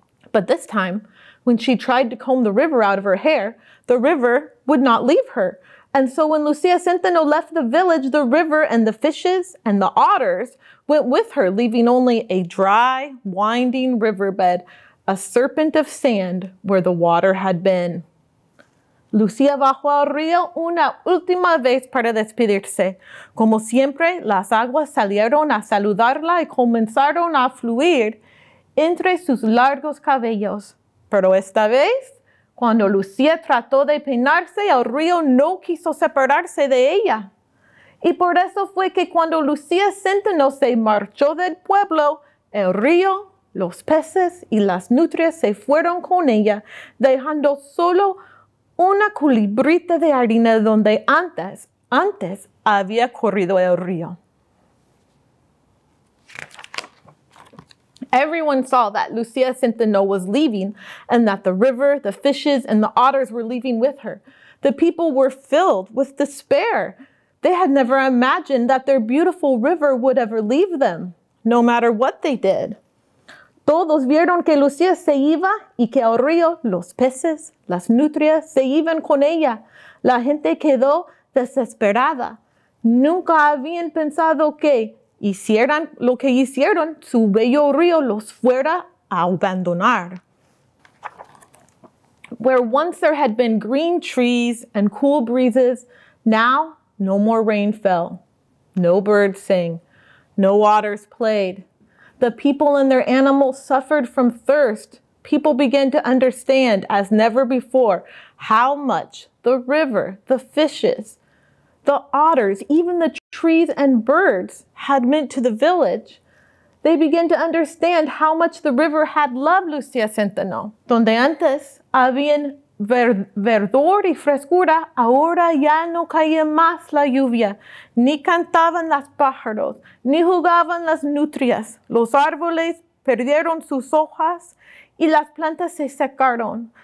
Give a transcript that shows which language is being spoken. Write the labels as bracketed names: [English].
[English] But this time, when she tried to comb the river out of her hair, the river would not leave her. And so when Lucía Zenteno left the village, the river and the fishes and the otters went with her, leaving only a dry, winding riverbed, a serpent of sand where the water had been. [Spanish] Lucía bajó al río una última vez para despedirse. Como siempre, las aguas salieron a saludarla y comenzaron a fluir entre sus largos cabellos. Pero esta vez, cuando Lucía trató de peinarse, el río no quiso separarse de ella. Y por eso fue que cuando Lucía Zenteno se marchó del pueblo, el río, los peces y las nutrias se fueron con ella, dejando solo una culebrita de harina donde antes había corrido el río. [English] Everyone saw that Lucía Zenteno was leaving and that the river, the fishes, and the otters were leaving with her. The people were filled with despair. They had never imagined that their beautiful river would ever leave them, no matter what they did. [Spanish] Todos vieron que Lucía se iba y que el río, los peces, las nutrias se iban con ella. La gente quedó desesperada. Nunca habían pensado que hicieran lo que hicieron, su bello río los fuera a abandonar. [English] Where once there had been green trees and cool breezes, now no more rain fell. No birds sang. No waters played. The people and their animals suffered from thirst. People began to understand, as never before, how much the river, the fishes, the otters, even the trees and birds had meant to the village. They began to understand how much the river had loved Lucía Zenteno. [Spanish] Donde antes habían verdor y frescura, ahora ya no caía más la lluvia, ni cantaban las pájaros, ni jugaban las nutrias. Los árboles perdieron sus hojas y las plantas se secaron.